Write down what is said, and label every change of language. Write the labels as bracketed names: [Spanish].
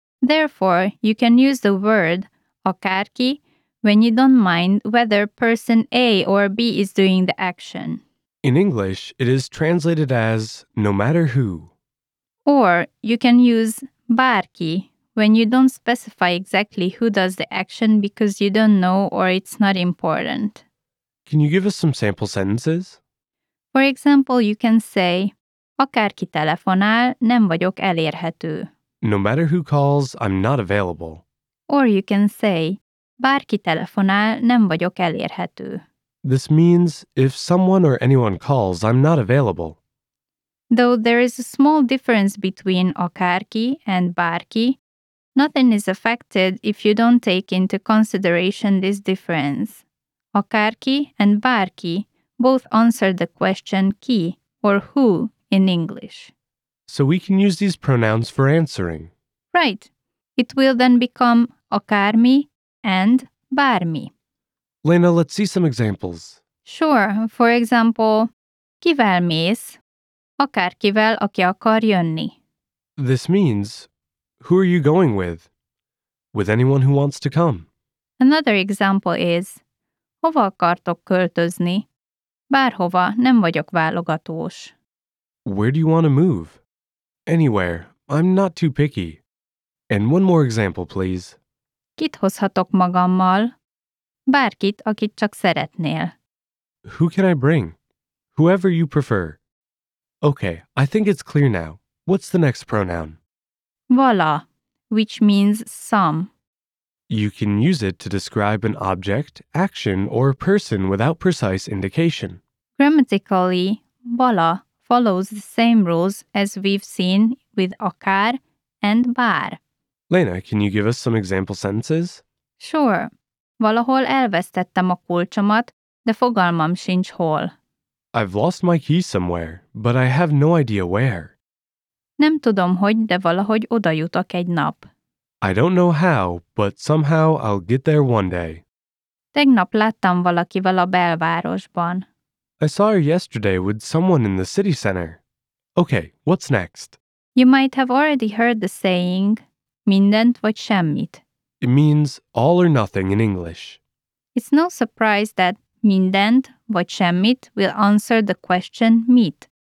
[English] Therefore, you can use the word akárki when you don't mind whether person A or B is doing the action. In English, it is translated as no matter who. Or you can use bárki when you don't specify exactly who does the action because you don't know or it's not important. Can you give us some sample sentences? For example, you can say [Hungarian] akárki telefonál, nem vagyok elérhető. [English] No matter who calls, I'm not available. Or you can say [Hungarian] bárki telefonál, nem vagyok elérhető. [English] This means, if someone or anyone calls, I'm not available. Though there is a small difference between akárki and bárki, nothing is affected if you don't take into consideration this difference. Akárki and bárki both answer the question ki or who in English. So we can use these pronouns for answering. Right. It will then become akármi and bármi. Lena, let's see some examples. Sure. For example, [Hungarian] kivel mész? Akárkivel, aki akar jönni. [English] This means, who are you going with? With anyone who wants to come. Another example is, [Hungarian] hova akartok költözni? Bárhova, nem vagyok válogatós. [English] Where do you want to move? Anywhere, I'm not too picky. And one more example, please. [Hungarian] Kit hozhatok magammal? Bárkit, akit csak szeretnél. [English] Who can I bring? Whoever you prefer. Okay, I think it's clear now. What's the next pronoun? Vala, which means some. You can use it to describe an object, action, or person without precise indication. Grammatically, vala follows the same rules as we've seen with akár and bár. Lena, can you give us some example sentences? Sure. [Hungarian] Valahol elvesztettem a kulcsomat, de fogalmam sincs hol. [English] I've lost my key somewhere, but I have no idea where. [Hungarian] Nem tudom, hogy, de valahogy oda jutok egy nap. [English] I don't know how, but somehow I'll get there one day. [Hungarian] Tegnap láttam valakivel a belvárosban. [English] I saw her yesterday with someone in the city center. Okay, what's next? You might have already heard the saying, [Hungarian] mindent vagy semmit. [English] It means all or nothing in English. It's no surprise that [Hungarian] mindent vagy semmit [English] will answer the question mit.